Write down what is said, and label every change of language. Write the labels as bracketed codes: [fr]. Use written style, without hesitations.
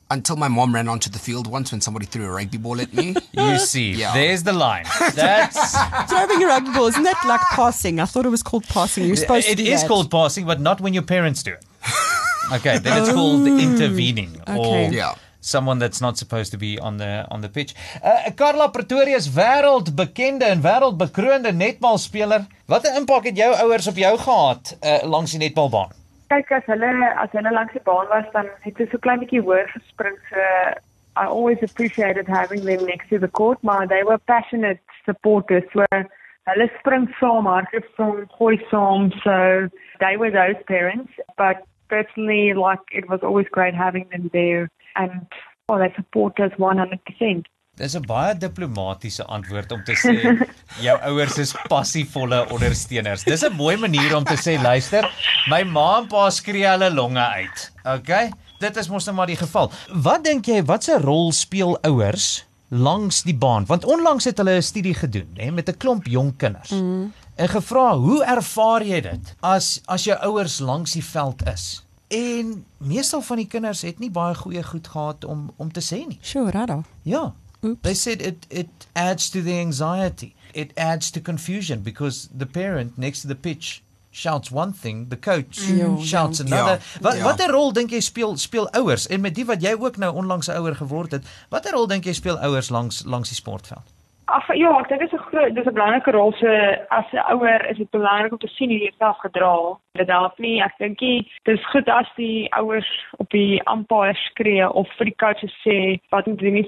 [en] Until my mom ran onto the field once when somebody threw a rugby ball at me. You see, yeah. There's the line. That's throwing a rugby ball, isn't that like passing? I thought it was called passing. You're supposed it to do is that. Called passing, but not when your parents do it. Okay, then it's called intervening. Okay. Yeah. Someone that's not supposed to be on the pitch. [af] Karla Pretorius, wêreldbekende en wêreldbekroonde netbalspeler. Wat 'n impak het jou ouers op jou gehad langs die netbalbaan? Kyk, as hulle langs die baan was, dan het hulle so klein bietjie hoër gespring. [en] So I always appreciated having them next to the court, [af] maar [en] they were passionate supporters. [af] So hulle spring saam, hardloop saam, gooi saam. [en] So they were those parents. But personally, like, it was always great having them there. And well, they support us 100%. [af] Dis 'n baie diplomatiese antwoord om te sê jou ouers is passievolle ondersteuners. Dis 'n mooi manier om te sê, luister, my ma en pa skree hulle longe uit. Okay? Dit is mos nou maar die geval. Wat dink jy, wat se rol speel ouers langs die baan? Want onlangs het hulle 'n studie gedoen, hè, met 'n klomp jong kinders. En gevra, hoe ervaar jy dit as jou ouers langs die veld is? En meestal van die kinders het nie baie goeie goed gehad om te sê nie. [en] Sure, Rado. Ja. Oops. They said it adds to the anxiety. It adds to confusion because the parent next to the pitch shouts one thing, the coach shouts another. Yeah. [af] Watter rol dink jy speel ouers? En met die wat jy ook nou onlangs 'n ouer geword het, watter rol dink jy speel ouers langs die sportveld? Ach, ja, ek dink dit is 'n belangrike rol. So, as 'n ouer is dit belangrik om te sien hoe jy self gedra. Dit help nie. Ek dink dit is goed as die ouers op die umpire skree of vir die coach sê wat moet doen.